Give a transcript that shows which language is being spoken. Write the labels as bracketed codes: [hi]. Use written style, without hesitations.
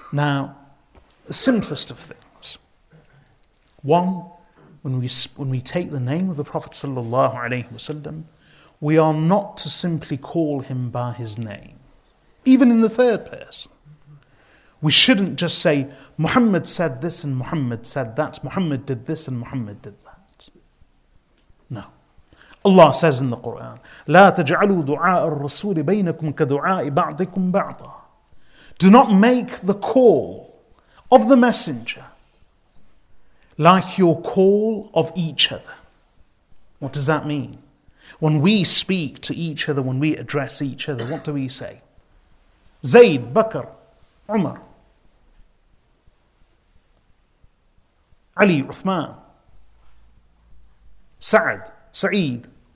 [en] Now, the simplest of things. One, when we take the name of the Prophet sallallahu alaihi wasallam, we are not to simply call him by his name, even in the third person. We shouldn't just say, Muhammad said this and Muhammad said that, Muhammad did this and Muhammad did that. No. Allah says in the Quran, [ar] لا تجعلوا دعاء الرسول بينكم كدعاء بعضكم بعضا. [en] Do not make the call of the messenger like your call of each other. What does that mean? When we speak to each other, when we address each other, what do we say? Zayd, Bakr, Umar, Ali, Uthman, Sa'd, Sa'id.